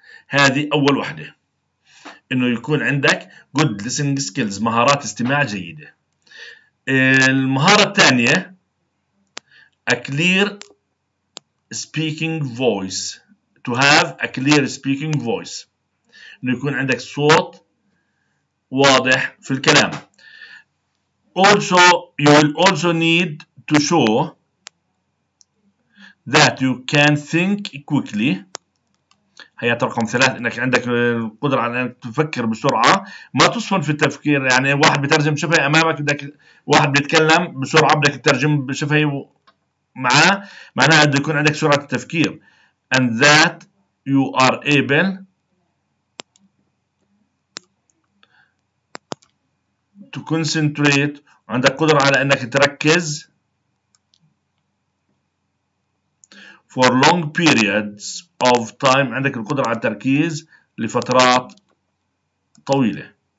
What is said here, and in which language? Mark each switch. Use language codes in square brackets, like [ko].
[ar] هذه أول واحدة، إنه يكون عندك [en] good listening skills، [ar] مهارات استماع جيدة. المهارة الثانية [en] a clear speaking voice، [ar] to have a clear speaking voice، إنه يكون عندك صوت واضح في الكلام. [en] Also, you will also need to show that you can think quickly. [ar] هي رقم ثلاث انك عندك القدرة على انك تفكر بسرعة. ما تصفن في التفكير، يعني واحد بترجم شفهي امامك بدك، واحد بيتكلم بسرعة بدك ترجم شفهي معاه، معناها بده يكون عندك سرعة التفكير. [en] And that you are able to concentrate، [ar] عندك قدرة على انك تركز [en] for long periods of time، [ar] عندك القدرة على التركيز لفترات طويلة.